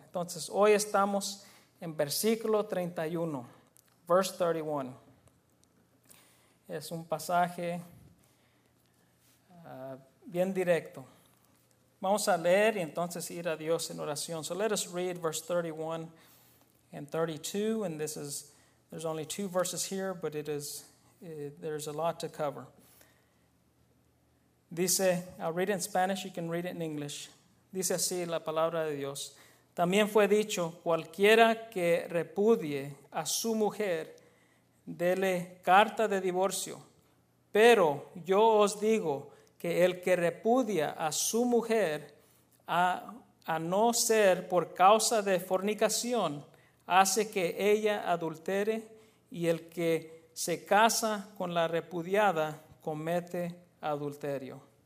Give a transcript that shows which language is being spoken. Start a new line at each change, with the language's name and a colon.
Spanish: Entonces, hoy estamos en versículo 31,
English: verse 31.
Spanish: Es un pasaje bien directo. Vamos a leer y entonces ir a Dios en oración.
English: So let us read verse 31 and 32. And this is, there's only two verses here, but it is, there's a lot to cover. Dice, I'll read it in Spanish, you can read it in English.
Spanish: Dice así la palabra de Dios. También fue dicho, cualquiera que repudie a su mujer, dele carta de divorcio. Pero yo os digo que el que repudia a su mujer, a no ser por causa de fornicación, hace que ella adultere, y el que se casa con la repudiada comete adulterio.